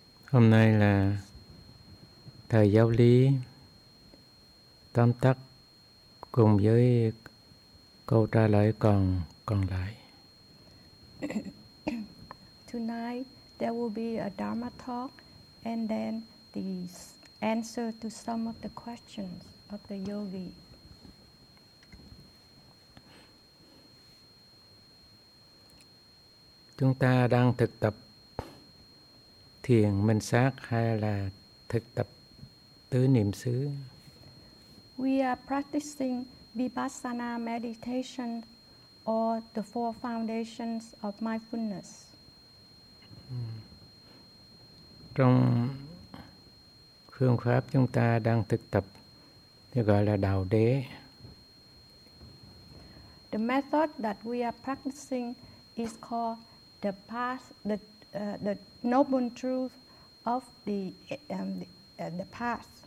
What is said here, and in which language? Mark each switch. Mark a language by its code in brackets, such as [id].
[vi] Hôm nay là thời giáo lý tóm tắt cùng với câu trả lời còn lại. [en] Tonight there will be a Dharma talk and then the answer to some of the questions of the yogi. [vi] Chúng ta đang thực tập thiền minh sát hay là thực tập tứ niệm xứ? [en] We are practicing Vipassana meditation or the four foundations of mindfulness. [vi] Trong phương pháp chúng ta đang thực tập được gọi là đạo đế. [en] The method that we are practicing is called the path, the noble truth of the path.